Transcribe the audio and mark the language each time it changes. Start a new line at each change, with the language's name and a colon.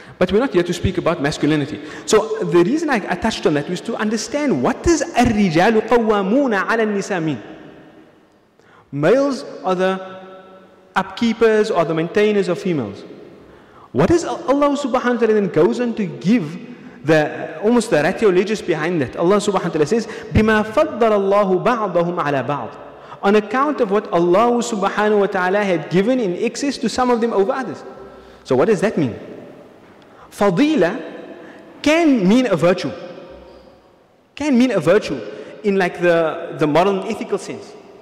English: But we're not here to speak about masculinity. So the reason I touched on that was to understand what does
Arabic: الرجال قوامون على النساء
English: mean? Males are the upkeepers or the maintainers of females. What is Allah subhanahu wa ta'ala then goes on to give the almost the ratiologies behind that? Allah subhanahu wa ta'ala says,
Arabic: بِمَا فَضَّلَ اللَّهُ بَعْضَهُمْ عَلَى بَعْضٍ.
English: On account of what Allah subhanahu wa ta'ala had given in excess to some of them over others. So what does that mean? Fadila can mean a virtue. Can mean a virtue in like the moral and ethical sense.